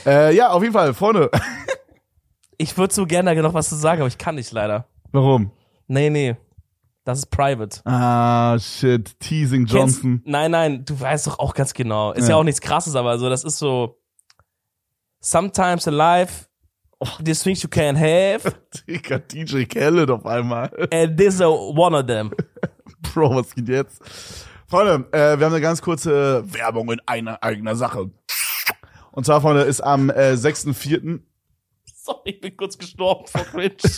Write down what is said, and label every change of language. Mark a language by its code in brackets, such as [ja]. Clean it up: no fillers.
[de] Ja, auf jeden Fall, Freunde. Ich würde so gerne noch was zu sagen, aber ich kann nicht leider. Warum? Nee. Das ist private. [en] Ah, shit. Teasing Johnson. [de] Nein, du weißt doch auch ganz genau. Ist ja auch nichts Krasses, aber so, das ist so. [en] Sometimes in life, these things you can't have. [de] Digga, DJ Khaled auf einmal. [en] And this is one of them. [de] Bro, was geht jetzt? Freunde, wir haben eine ganz kurze Werbung in eigener Sache. Und zwar, Freunde, ist am 6.4. Sorry, ich bin kurz gestorben vor Cringe.